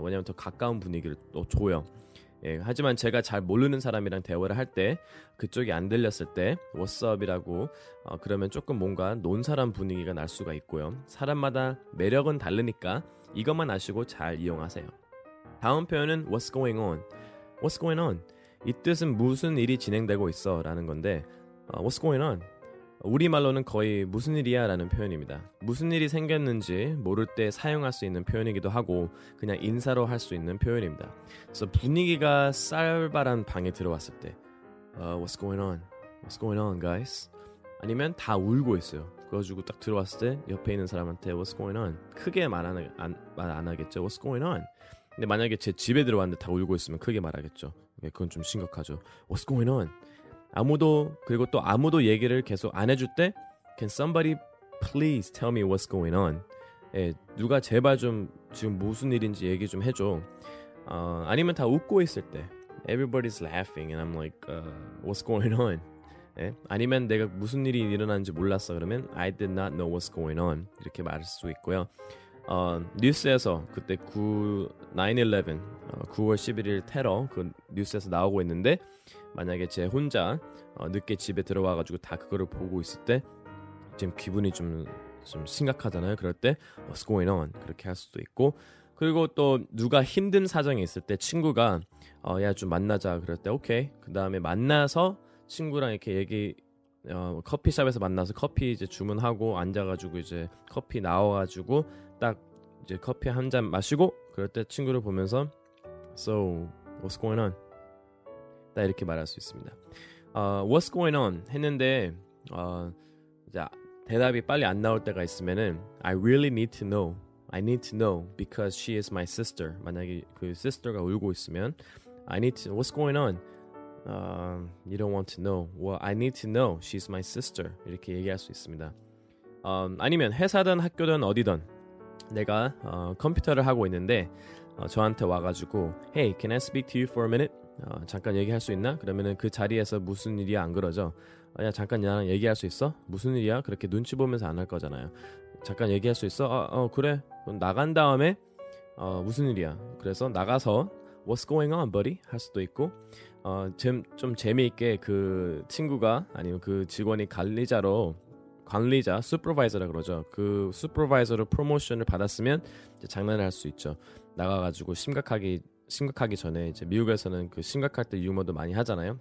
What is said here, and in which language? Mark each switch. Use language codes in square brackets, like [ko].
[ko] 왜냐하면 더 가까운 분위기를 또 줘요. 예, 하지만 제가 잘 모르는 사람이랑 대화를 할 때 그쪽이 안 들렸을 때 [en] What's up? [ko] 이라고 그러면 조금 뭔가 논사람 분위기가 날 수가 있고요. 사람마다 매력은 다르니까 이것만 아시고 잘 이용하세요. 다음 표현은 [en] What's going on? What's going on? [ko] 이 뜻은 무슨 일이 진행되고 있어? 라는 건데 [en] What's going on? [ko] 우리말로는 거의 무슨 일이야? 라는 표현입니다. 무슨 일이 생겼는지 모를 때 사용할 수 있는 표현이기도 하고 그냥 인사로 할 수 있는 표현입니다. 그래서 분위기가 쌀바람 방에 들어왔을 때 [en] What's going on? What's going on, guys? [ko] 아니면 다 울고 있어요. 그래가지고 딱 들어왔을 때 옆에 있는 사람한테 [en] What's going on? [ko] 크게 말 안 하겠죠. [en] What's going on? [ko] 근데 만약에 제 집에 들어왔는데 다 울고 있으면 크게 말하겠죠. 그건 좀 심각하죠. [en] What's going on? [ko] 아무도 그리고 또 아무도 얘기를 계속 안 해줄 때 [en] Can somebody please tell me what's going on? [ko] 예, 누가 제발 좀 지금 무슨 일인지 얘기 좀 해줘. 아니면 다 웃고 있을 때 [en] Everybody's laughing and I'm like what's going on? [ko] 예, 아니면 내가 무슨 일이 일어난지 몰랐어 그러면 [en] I did not know what's going on [ko] 이렇게 말할 수 있고요. 뉴스에서 그때 9월 11일 테러 그 뉴스에서 나오고 있는데 만약에 제 혼자 늦게 집에 들어와가지고 다 그거를 보고 있을 때 지금 기분이 좀 심각하잖아요. 그럴 때 [en] What's going on? [ko] 그렇게 할 수도 있고 그리고 또 누가 힘든 사정이 있을 때 친구가 야 좀 만나자 그럴 때 오케이 그 다음에 만나서 친구랑 이렇게 얘기 커피숍에서 만나서 커피 이제 주문하고 앉아가지고 이제 커피 나와가지고 딱 이제 커피 한 잔 마시고 그럴 때 친구를 보면서 [en] So what's going on? [ko] 다 이렇게 말할 수 있습니다. [en] What's going on? [ko] 했는데 이제 대답이 빨리 안 나올 때가 있으면은 [en] I really need to know. I need to know because she is my sister. [ko] 만약에 그 sister가 울고 있으면 [en] I need to. What's going on? You don't want to know. Well, I need to know. She's my sister. [ko] 이렇게 얘기할 수 있습니다. 아니면 회사든 학교든 어디든 내가 컴퓨터를 하고 있는데 저한테 와가지고 [en] Hey, can I speak to you for a minute? [ko] 잠깐 얘기할 수 있나? 그러면은 그 자리에서 무슨 일이야 안 그러죠? 야 잠깐 나랑 얘기할 수 있어? 무슨 일이야? 그렇게 눈치 보면서 안 할 거잖아요. 잠깐 얘기할 수 있어? 그래. 그럼 나간 다음에 무슨 일이야? 그래서 나가서 [en] What's going on, buddy? [ko] 할 수도 있고 좀 재미있게 그 친구가 아니면 그 직원이 관리자, 슈퍼바이저라 그러죠. 그 슈퍼바이저로 프로모션을 받았으면 이제 장난을 할 수 있죠. 나가가지고 심각하기 전에 이제 미국에서는 그 심각할 때 유머도 많이 하잖아요.